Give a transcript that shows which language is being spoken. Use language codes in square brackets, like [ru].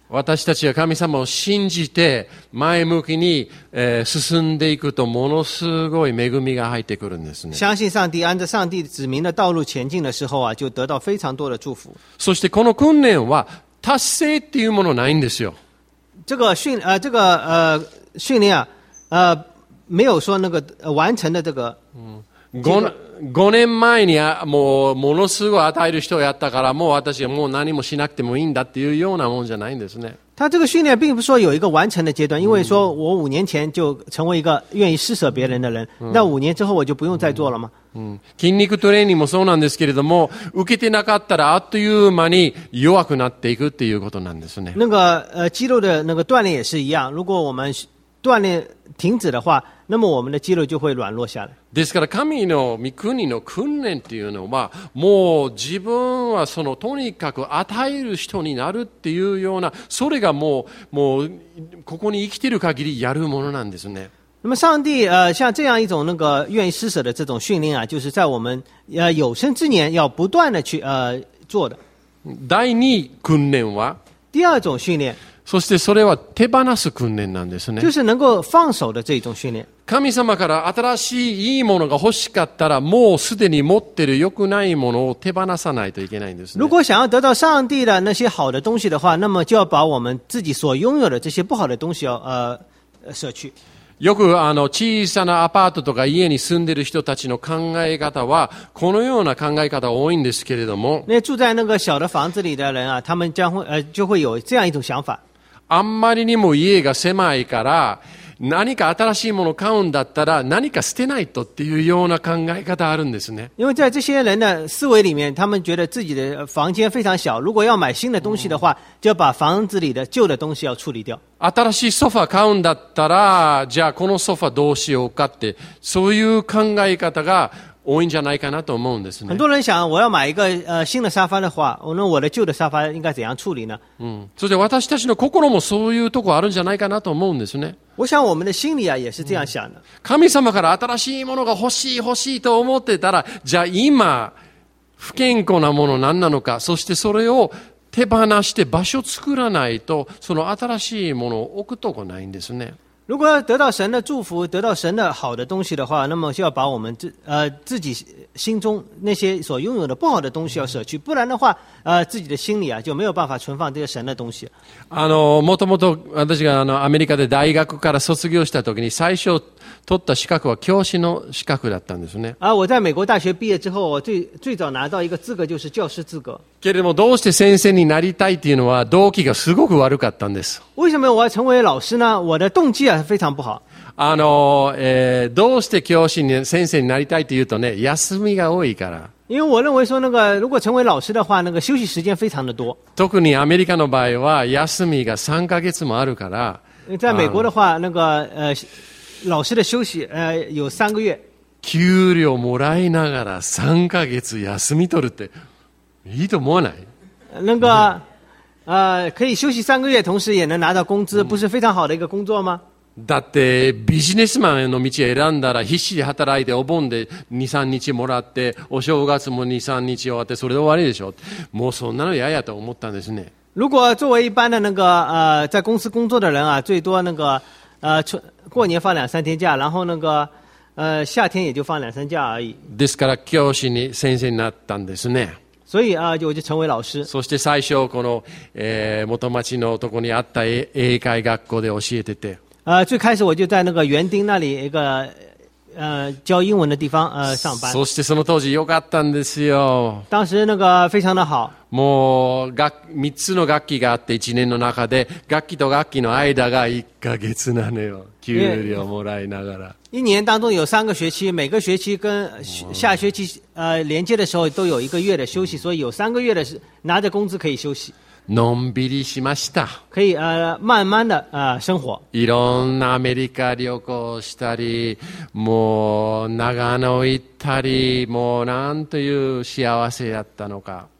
[ja] 私たちが神様を信じて前向きに進んでいくとものすごい恵みが入ってくるんですね。 [zh] 相信上帝按照上帝指明的道路前进的时候啊就得到非常多的祝福。 [ja] そしてこの訓練は達成っていうものないんですよ。 [zh] 这个训练没有说那个完成的这个 [ja] 5年前にもうものすごい与える人をやったからもう私はもう何もしなくてもいいんだっていうようなもんじゃないんですね。 [zh] 他这个训练并不说有一个完成的阶段，因为说我五年前就成为一个愿意施舍别人的人，那五年之后我就不用再做了吗？ [ja] 筋肉トレーニングもそうなんですけれども、受けてなかったらあっという間に弱くなっていくっていうことなんですね。 [zh] 那个肌肉的那个锻炼也是一样，如果我们锻炼停止的话，那么我们的肌肉就会软弱下来。 [ja] ですから神の御国の訓練っていうのはもう自分はそのとにかく与える人になるっていうようなそれがもうここに生きている限りやるものなんですね。 [zh] 那么上帝像这样一种那个愿意施舍的这种训练啊，就是在我们有生之年要不断的去做的。 [ja] 第二訓練は [zh] 第二种训练。 [ja] そしてそれは手放す訓練なんですね。 [zh] 就是能够放手的这种训练。 [ja] 神様から新しいいいものが欲しかったら、もうすでに持ってる良くないものを手放さないといけないんですね。 [zh] 如果想要得到上帝的那些好的东西的话，那么就要把我们自己所拥有的这些不好的东西要舍去。 [ja] よく小さなアパートとか家に住んでる人たちの考え方はこのような考え方多いんですけれども。 [zh] ね、住在那个小的房子里的人啊，他们将会就会有这样一种想法。 [ja] あんまりにも家が狭いから何か新しいものを買うんだったら何か捨てないとっていうような考え方あるんですね。 [zh] 因为在这些人的思维里面，他们觉得自己的房间非常小，如果要买新的东西的话，就要把房子里的旧的东西要处理掉。 [ja] 新しいソファ買うんだったら、じゃあこのソファどうしようかってそういう考え方が多いんじゃないかなと思うんですね。 [zh] 很多人想我要买一个新的沙发的话，那我的旧的沙发应该怎样处理呢？ [ja] そして私たちの心もそういうとこあるんじゃないかなと思うんですね。 [zh] 我想我们的心里啊也是这样想的。 [ja] 神様から新しいものが欲しい欲しいと思ってたら、じゃあ今不健康なもの何なのか、そしてそれを手放して場所作らないとその新しいものを置くとこないんですね。 [zh] 如果要得到神的祝福，得到神的好的东西的话，那么就要把我们自己心中那些所拥有的不好的东西要舍去，不然的话，自己的心里啊就没有办法存放这些神的东西。 [ja] もともと私がアメリカで大学から卒業した時に最初取った資格は教師の資格だったんですね。 [zh] 我在美国大学毕业之后，我最早拿到一个资格就是教师资格。 [ja] けれどもどうして先生になりたいっていうのは動機がすごく悪かったんです。 [zh] 为什么我要成为老师呢？我的动机啊非常不好。 [ja] どうして教師に先生になりたいというとね、休みが多いから。 [zh] 因为我认为说那个如果成为老师的话，那个休息时间非常的多。 [ja] 特にアメリカの場合は休みが3ヶ月もあるから。 [zh] 在美国的话，那个老师的休息有三个月。 [ja] 給料もらいながら3ヶ月休み取るって。いいと思わない？ [zh] 那个可以休息三个月，同时也能拿到工资，不是非常好的一个工作吗？ [ja] だってビジネスマンの道を選んだら必死で働いてお盆で 2,3 日もらってお正月も 2,3 日終わってそれで終わりでしょ。もうそんなの嫌やと思ったんですね。 [zh] 如果作为一般的那个在公司工作的人啊，最多那个过年放两三天假，然后那个夏天也就放两三假而已。 [ja] ですから教師に先生になったんですね。 [zh] 所以啊，我就成为老师。 [ja] そして最初この、元町のとこにあった英会学校で教えてて。 [zh] 最开始我就在那个园丁那里一个教英文的地方上班。 [ja] そしてその当時良かったんですよ。 [zh] 当时那个非常的好。 [ja] もう三つの学期があって一年の中で学期と学期の間が一ヶ月なのよ。給料もらいながら。 [zh] 一年当中有三个学期，每个学期跟下学期连接的时候都有一个月的休息，所以有三个月的拿着工资可以休息。 [ja] のんびりしました。 [zh] 可以慢慢的生活。 [ja] いろんなアメリカ旅行したり、もう長野行ったり、もうなんという幸せだったのか。